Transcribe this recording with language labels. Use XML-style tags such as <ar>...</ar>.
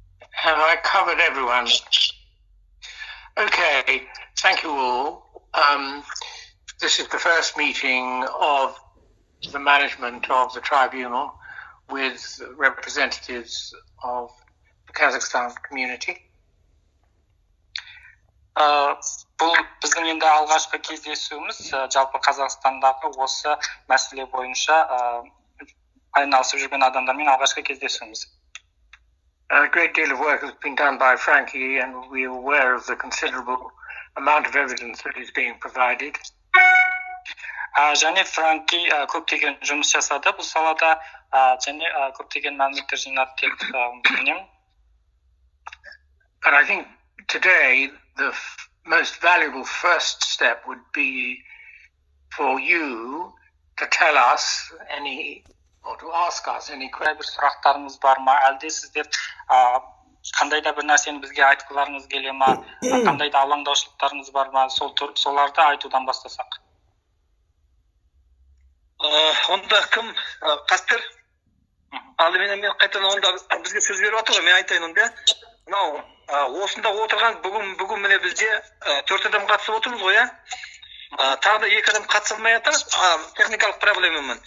<en>Have I covered everyone? Okay, thank you all. This is the first meeting of the management of the tribunal with representatives of the Kazakhstan community.</en> <kk>Бұл біздің енді алғашқы кездесуіміз жалпы Қазақстандағы осы мәселе бойынша айналысып жүрген адамдармен алғашқы кездесуіміз.</kk> <en>A great deal of work has been done by Frankie, and we are aware of the considerable amount of evidence that is being provided.</en> <kk>Және Франки көптеген жұмыс жасады бұл салада, және көптеген мәліметтер жинады деп білемін.</kk> <en>But I think today the most valuable first step would be for you to tell us any, or to ask us any questions.</en> <kk>Сұрақтарыңыз бар ма? Әлде сіздер қандай да бір нәрсені бізге айтқыларыңыз келе ма? Қандай да алаңдаушылықтарыңыз бар ма? Соларды айтудан бастасақ. Онда кім? Қастер? Алдымен мен қайтадан онда бізге сөз беріп отыр ғой, мен айтайын онда. Мынау осында отырған бүгін міне бізде төрт адам қатысып отырмыз ғой, тағы да екі адам қатыса алмай жатыр техникалық проблемамен.</kk>